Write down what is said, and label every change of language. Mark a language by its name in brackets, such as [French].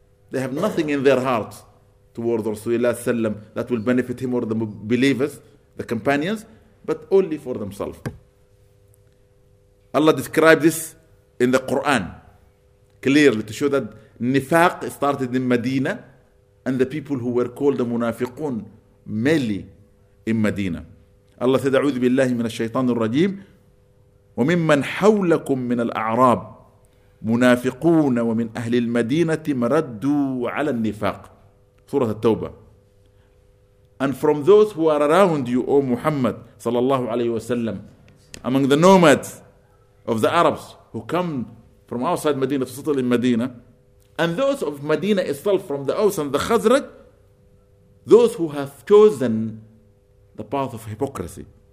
[English] They have nothing in their hearts towards Rasulullah Sallam that will benefit him or the believers, the companions, but only for themselves. Allah described this in the Quran clearly to show that nifaq started in Medina and the people who were called the munafiqun mainly in Medina. Allah said, [Arabic] أعوذ بالله من الشيطان الرجيم وممن حولكم من الأعراب منافقون ومن أهل المدينة مردوا على النفاق. سورة التوبة. [English] And from those who are around you, O Muhammad sallallahu alayhi wasallam, among the nomads of the Arabs who come from outside Medina to settle in Medina, and those of Medina itself from the Aus and the Khazraj, those who have chosen the path of hypocrisy.